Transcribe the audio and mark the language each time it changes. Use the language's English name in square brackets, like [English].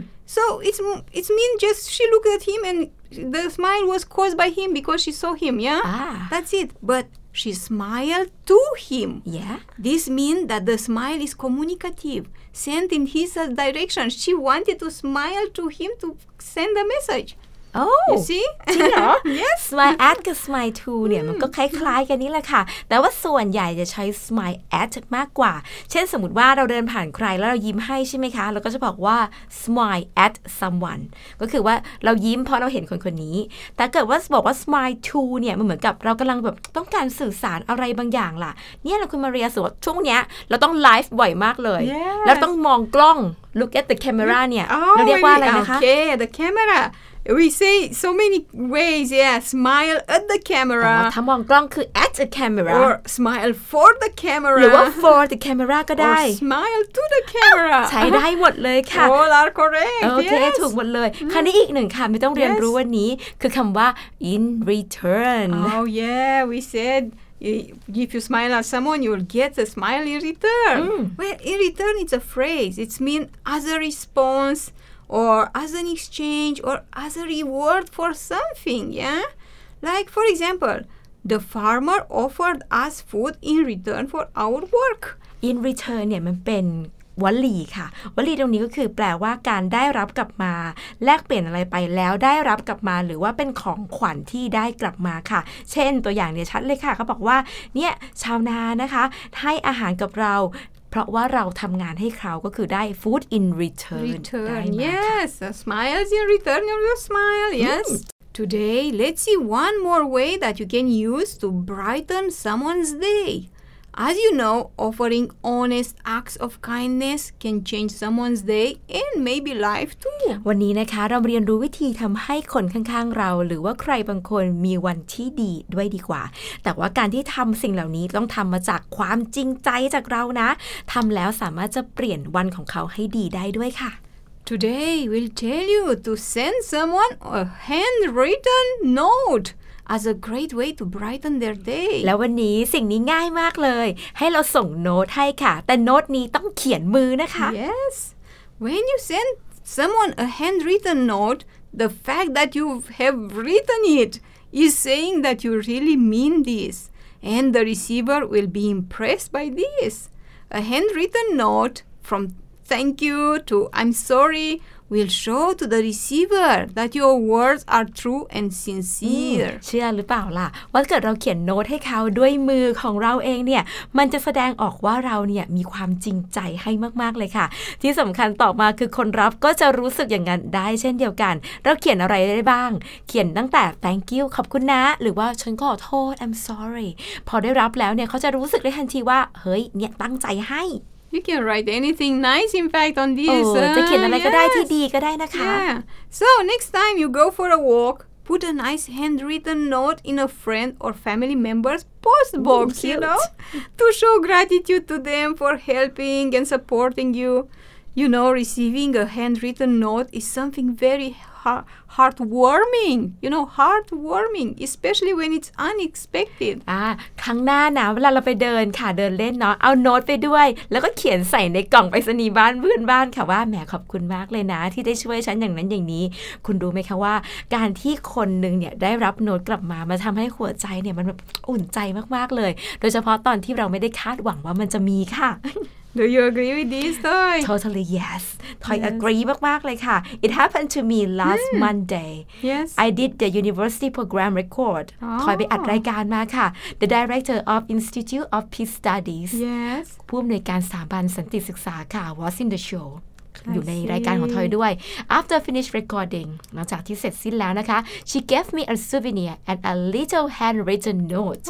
[English] So it's mean just she looked at him and the smile was caused by him because she saw him. Yeah, that's it. But. She smiled to him. Yeah. This means that the smile is communicative, sent in his direction. She wanted to smile to him to send a message. Oh, you see? Yes. [Thai] Smile at กับ smile to เนี่ยมันก็คล้ายๆกันนี่แหละค่ะแต่ว่าส่วนใหญ่จะใช้ smile at มากกว่าเช่นสมมติว่าเราเดินผ่านใครแล้วเรายิ้มให้ใช่ไหมคะเราก็จะบอกว่า [English] smile at someone [Thai] ก็คือว่าเรายิ้มเพราะเราเห็นคนคนนี้แต่เกิดว่าบอกว่า smile to เนี่ยมันเหมือนกับเรากำลังแบบต้องการสื่อสารอะไรบางอย่างล่ะเนี่ยคุณมาเรียสวดช่วงเนี้ยเราต้องไลฟ์บ่อยมากเลยแล้วต้องมองกล้อง [English] look at the camera [Thai] เนี่ยเราเรียกว่าอะไรนะคะ [English] okay the camera We say so many ways, yeah. Smile at the camera. [Thai] ถ้ามองกล้องคือ [English] at the camera. Or smile for the camera. [Thai] หรือว่า [English] for the camera [Thai] ก็ได้ [English] Or smile to the camera. [Thai] ใช้ได้หมดเลยค่ะ [English] All are correct. Okay, yes. [Thai] ถูกหมดเลยคราวนี้อีกหนึ่งค่ะไม่ต้องเรียนรู้วันนี้คือคำว่า in return. [English] Oh yeah, we said. If you smile at someone, you'll get a smile in return. Mm. Well, in return, it's a phrase. It means as a response or as an exchange or as a reward for something, yeah? Like, for example, the farmer offered us food in return for our work. In return, yeah, it's been... [Thai] วลีค่ะวลีตรงนี้ก็คือแปลว่าการได้รับกลับมาแลกเปลี่ยนอะไรไปแล้วได้รับกลับมาหรือว่าเป็นของขวัญที่ได้กลับมาค่ะเช่นตัวอย่างเนี่ยชัดเลยค่ะเขาบอกว่าเนี่ยชาวนานะคะให้อาหารกับเราเพราะว่าเราทำงานให้เขาก็คือได้ [English] food in return yes smiles in return you smile yes today let's see one more way that you can use to brighten someone's dayAs you know, offering honest acts of kindness can change someone's day and maybe life too. [Thai] วันนี้นะคะเราเรียนรู้วิธีทำให้คนข้างๆเราหรือว่าใครบางคนมีวันที่ดีด้วยดีกว่าแต่ว่าการที่ทำสิ่งเหล่านี้ต้องทำมาจากความจริงใจจากเรานะทำแล้วสามารถจะเปลี่ยนวันของเขาให้ดีได้ด้วยค่ะ [English] Today we'll tell you to send someone a handwritten noteas a great way to brighten their day. [Thai] แล้ววันนี้สิ่งนี้ง่ายมากเลยให้เราส่งโน้ตให้ค่ะแต่โน้ตนี้ต้องเขียนมือนะคะ [English] Yes. When you send someone a handwritten note, the fact that you have written it is saying that you really mean this, and the receiver will be impressed by this. A handwritten note from thank you to I'm sorryWill show to the receiver that your words are true and sincere. [Thai] เชื่อหรือเปล่าล่ะว่าเกิดเราเขียนโน้ตให้เขาด้วยมือของเราเองเนี่ยมันจะแสดงออกว่าเราเนี่ยมีความจริงใจให้มากๆเลยค่ะที่สำคัญต่อมาคือคนรับก็จะรู้สึกอย่างนั้นได้เช่นเดียวกันเราเขียนอะไรได้บ้างเขียนตั้งแต่ [English] thank you [Thai] ขอบคุณนะหรือว่าฉันขอโทษ [English] I'm sorry [Thai] พอได้รับแล้วเนี่ยเขาจะรู้สึกได้ทันทีว่าเฮ้ยเนี่ยตั้งใจให้ [English] You can write anything nice, in fact, on this. [Thai] จะเขียนอะไรก็ได้ที่ดีก็ได้นะคะ [English] Yeah. So next time you go for a walk, put a nice handwritten note in a friend or family member's post box, Cute. You know, to show gratitude to them for helping and supporting you. You know, receiving a handwritten note is something very heartwarming. You know, heartwarming, especially when it's unexpected. ครั้งหน้านะเวลาเราไปเดินค่ะเดินเล่นเนาะเอาโน้ตไปด้วยแล้วก็เขียนใส่ในกล่องไปรษณีย์บ้านเพื่อนบ้านค่ะว่าแหมขอบคุณมากเลยนะที่ได้ช่วยฉันอย่างนั้นอย่างนี้คุณรู้ไหมคะว่าการที่คนนึงเนี่ยได้รับโน้ตกลับมามาทำให้หัวใจเนี่ยมันแบบอุ่นใจมากๆเลยโดยเฉพาะตอนที่เราไม่ได้คาดหวังว่ามันจะมีค่ะ Do you agree with this, Toy? Totally yes. Toy yes. agree [Thai] มากๆเลยค่ะ [English] It happened to me last Monday. Yes. I did the university program record. Oh. Toy [Thai] ไปอัดรายการมาค่ะ [English] The director of Institute of Peace Studies. Yes. [Thai] ผู้อำนวยการสถาบันสันติศึกษาค่ะ [English] was in the show. [Thai] อยู่ในรายการของทอยด้วย [English] After finish recording [Thai] หลังจากที่เสร็จสิ้นแล้วนะคะ [English] She gave me a souvenir and a little handwritten note